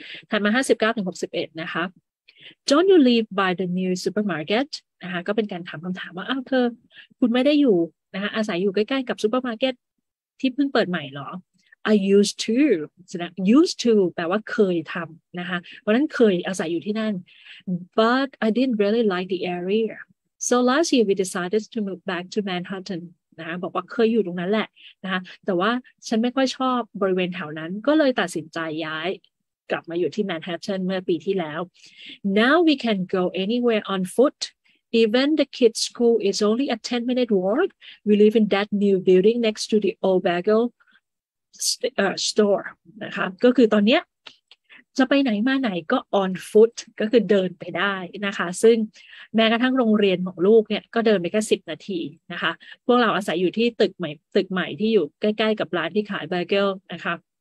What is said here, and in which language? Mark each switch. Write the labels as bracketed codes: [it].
[th] ถัดมา59 ถึง 61นะคะ [en] don't you live by the new supermarket [th] นะคะก็เป็นการถามคำถามว่าอ้าวเธอคุณไม่ได้อยู่นะคะอาศัยอยู่ใกล้ๆกับซูเปอร์มาร์เก็ตที่เพิ่งเปิดใหม่หรอ [en] I used to [th] นะ used to แปลว่าเคยทำนะคะเพราะนั้นเคยอาศัยอยู่ที่นั่น [en] but I didn't really like the area so last year we decided to move back to Manhattan [th] นะบอกว่าเคยอยู่ตรงนั้นแหละนะแต่ว่าฉันไม่ค่อยชอบบริเวณแถวนั้นก็เลยตัดสินใจย้ายกลับมาอยู่ที่แมนฮัตตันเมื่อปีที่แล้ว [en] Now we can go anywhere on foot. Even the kids' school is only a 10-minute walk. We live in that new building next to the old bagel store. [th] นะคะก็คือตอนเนี้ยจะไปไหนมาไหนก็ on foot ก็คือเดินไปได้นะคะซึ่งแม้กระทั่งโรงเรียนของลูกเนี่ยก็เดินไปแค่10นาทีนะคะพวกเราอาศัยอยู่ที่ตึกใหม่ที่อยู่ใกล้ๆกับร้านที่ขายเบเกิลนะคะ